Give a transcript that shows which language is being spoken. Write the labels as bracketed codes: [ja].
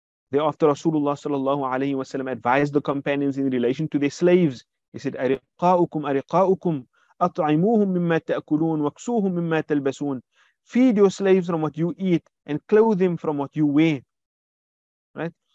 [en] Thereafter Rasulullah sallallahu alayhi wa sallam advised the companions in relation to their slaves. He said, [ar] أَرِقَاؤُكُمْ أَرِقَاؤُكُمْ أَطْعِمُوهُمْ مِمَّا تَأْكُلُونَ وَكْسُوهُمْ مِمَّا تَلْبَسُونَ. [en] Feed your slaves from what you eat and clothe them from what you wear. Right?